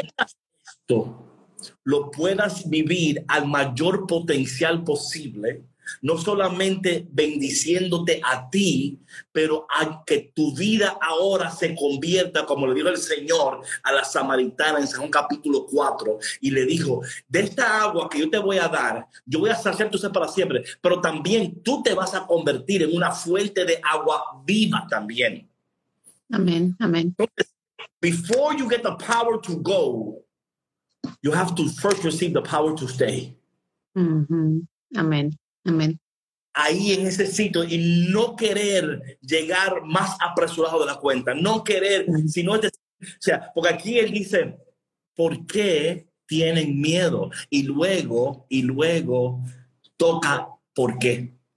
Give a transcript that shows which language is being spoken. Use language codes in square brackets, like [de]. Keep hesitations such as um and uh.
[es] tengas esto, lo puedas vivir al mayor potencial posible, no solamente bendiciéndote a ti, pero a que tu vida ahora se convierta, como le dijo el Señor a la samaritana en San capítulo 4, y le dijo, de esta agua que yo te voy a dar, yo voy a saciar tu sed para siempre, pero también tú te vas a convertir en una fuente de agua viva también. Amén, amén. [en] before you get the power to go, you have to first receive the power to stay. [es] Ujú. Amén, amén. Ahí en ese sitio y no querer llegar más apresurado de la cuenta, no querer, Ujú. sino es decir, o sea, porque aquí él dice, ¿por qué tienen miedo? Y luego, y luego toca por qué.